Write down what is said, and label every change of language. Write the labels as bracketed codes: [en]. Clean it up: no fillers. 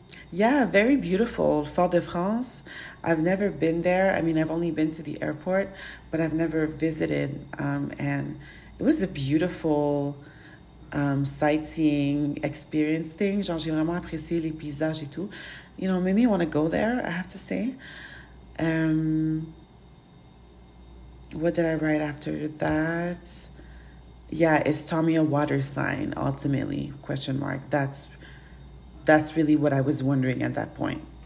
[en] Yeah, very beautiful. Fort de France. I've never been there. I mean, I've only been to the airport, but I've never visited. And it was a beautiful sightseeing experience thing. [fr] Genre, j'ai vraiment apprécié les paysages et tout. [en] You know, made me want to go there, I have to say. What did I write after that? Yeah, is Tommy a water sign, ultimately? Question mark. That's really what I was wondering at that point.